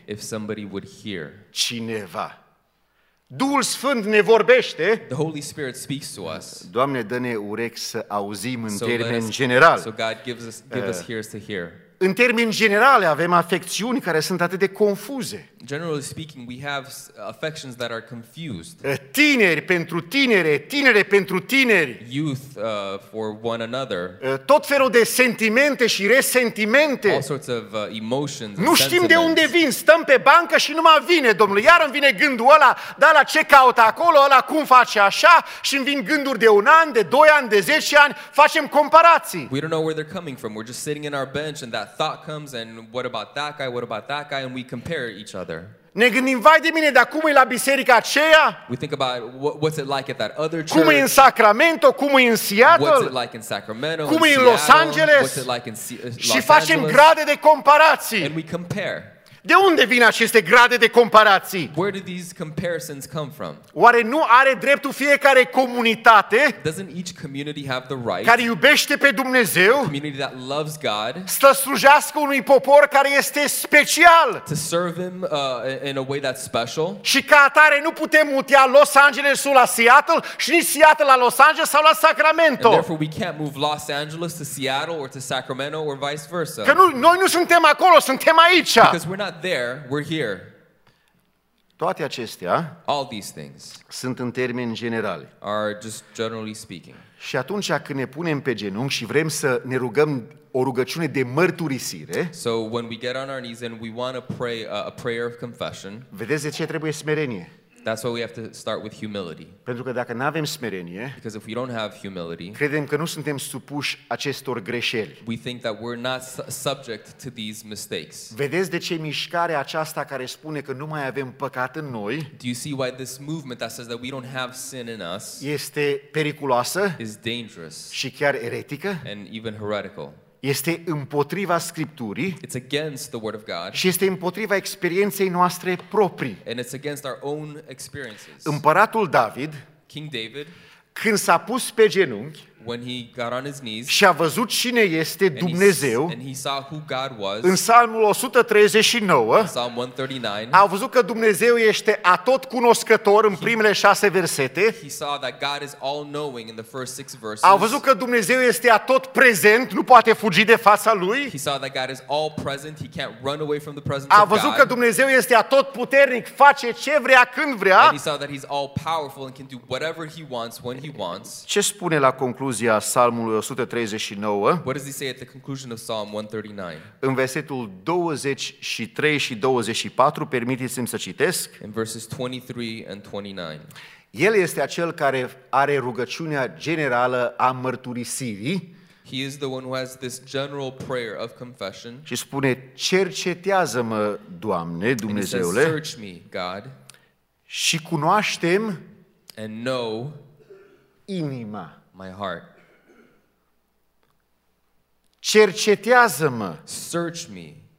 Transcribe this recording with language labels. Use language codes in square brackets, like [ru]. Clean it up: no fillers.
[en] If somebody would hear. [ro] Cineva. Duhul Sfânt ne vorbește. [en] The Holy Spirit speaks to us. [ro] Doamne, dă-ne urechi să auzim în termen general. [en] So God gives us ears to hear. [ro] În termeni generale, avem afecțiuni care sunt atât de confuze. [en] Generally speaking, we have affections that are confused. [ro] Tineri pentru tinere, tinere pentru tineri. [en] Youth for one another. [ro] Tot felul de sentimente și resentimente. [en] All sorts of emotions. [ro] Nu știm de unde vin, stăm pe bancă și numai vine, domnule, iar îmi vine gândul ăla, dar la ce caută acolo, ăla cum face așa, și îmi vin gânduri de un an, de doi ani, de 10 ani, facem comparații. [en] We don't know where they're coming from. We're just sitting in our bench and that thought comes and what about that guy? What about that guy? And we compare each other. [ro] Ne gândim, vai de mine, dar cum e la biserica aceea? [en] We think about what's it like at that other church? [ro] Cum e în Sacramento? Cum e în Seattle? [en] What's it like in Sacramento? [ro] Cum e în Los Angeles? [en] What's it like in Los Angeles? [ro] Și facem grade de comparații. [en] And we compare. [ro] De unde vin aceste grade de comparații? [en] Where do these comparisons come from? [ro] Oare nu are dreptul fiecare comunitate? [en] Doesn't each community have the right? [ro] Care iubește pe Dumnezeu? [en] A community that loves God. [ro] Să slujească unui popor care este special. [en] To serve him in a way that's special. [ro] Și ca atare nu putem mutea Los Angelesul la Seattle și nici Seattle la Los Angeles sau la Sacramento. [en] And therefore we can't move Los Angeles to Seattle or to Sacramento or vice versa. [ro] Că nu, noi nu suntem acolo, suntem aici. [en] Not there, we're here. [ro] Toate acestea, [en] all these things, [ro] sunt în termeni generale. [en] Are just generally speaking. [ro] Și atunci când ne punem pe genunchi și vrem să ne rugăm o rugăciune de mărturisire, [en] so when we get on our knees and we want to pray a prayer of confession, [ro] vedeți de ce trebuie smerenie. [en] That's why we have to start with humility. [ro] Pentru că dacă n-avem smerenie, [en] because if we don't have humility, [ro] credem că nu suntem supuși acestor greșeli. [en] We think that we're not subject to these mistakes. [ro] Vedeți de ce mișcarea aceasta care spune că nu mai avem păcat în noi? [en] Do you see why this movement that says that we don't have sin in us? [ro] Este periculoasă? [en] Is dangerous. [ro] Și chiar eretică? [en] And even heretical. [ro] Este împotriva Scripturii. [en] It's against the word of God. [ro] Și este împotriva experienței noastre proprii. [en] And it's against our own experiences. [ro] Împăratul David, [en] King David, [ro] când s-a pus pe genunchi, [en] when he got on his knees, [ro] și a văzut cine este Dumnezeu, [en] and he saw who God was, [ro] în Psalmul 139, [en] Psalm 139, [ro] a văzut că Dumnezeu este atot cunoscător în primele șase versete, [en] he saw that God is all-knowing in the first six verses, [ro] a văzut că Dumnezeu este atot prezent, nu poate fugi de fața lui, [en] he saw that God is all-present, he can't run away from the presence of God, [ro] a văzut că Dumnezeu este atot puternic, face ce vrea când vrea, [en] and he saw that he's all-powerful and can do whatever he wants when he wants. [ro] Ce spune la concluzie? Concluzia Psalmului 139. [en] What does he say at the conclusion of Psalm 139? [ro] În versetul 23 și 24, permiteți-mi să citesc. [en] In verses 23 and 29. [ro] El este acel care are rugăciunea generală a mărturisirii. [en] He is the one who has this general prayer of confession. [ro] Și spune: cercetează-mă, Doamne, Dumnezeule. [en] And he says, search me, God. [ro] Și cunoaștem. [en] And know. [ro] Inima. [en] My heart. [ro] Cercetează-mă. [en] Search me.